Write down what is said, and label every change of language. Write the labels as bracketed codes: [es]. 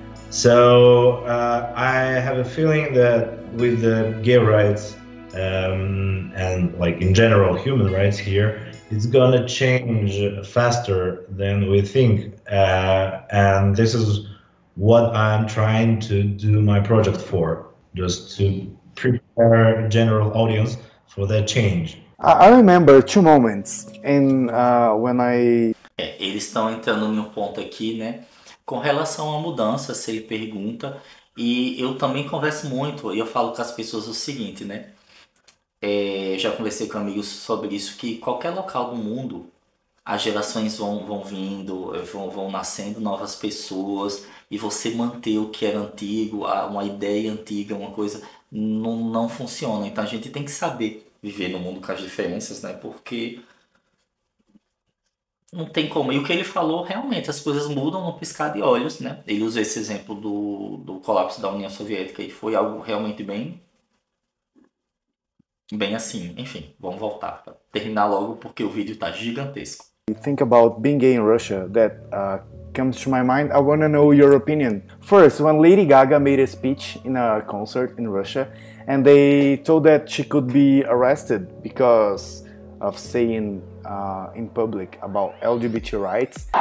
[en] So I have a feeling that with the gay rights and like in general human rights here, it's gonna change faster than we think. And this is what I'm trying to do my project for, just to prepare a general audience for that change. I remember two moments in when I... [pt] Eles estão entrando em um ponto aqui, né? Com relação à mudança, se ele pergunta, E eu também converso muito e eu falo com as pessoas o seguinte, né? Já conversei com amigos sobre isso, que qualquer local do mundo, as gerações vão vindo, vão nascendo novas pessoas, e você manter o que era antigo, uma ideia antiga, uma coisa, não funciona. Então a gente tem que saber viver no mundo com as diferenças, né? Porque não tem como. E o que ele falou, realmente, as coisas mudam no piscar de olhos, né? Ele usa esse exemplo do colapso da União Soviética e foi algo realmente bem assim. Enfim, vamos voltar para terminar logo porque o vídeo tá gigantesco. [en] Think about being gay in Russia that comes to my mind. I want to know your opinion. First, when Lady Gaga made a speech in a concert in Russia and they told that she could be arrested because of saying in public about LGBT rights.